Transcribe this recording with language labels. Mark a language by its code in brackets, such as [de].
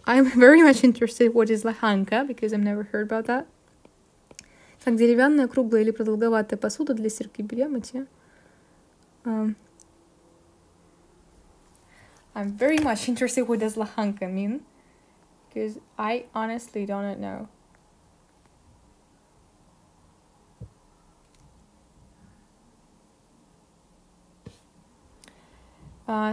[en] I'm very much interested what is lahanka, because I've never heard about that. [ru] Так, деревянная, круглая или продолговатая посуда для стирки белья, мытья. [en] I'm very much interested what does lahanka mean. Because I honestly don't know.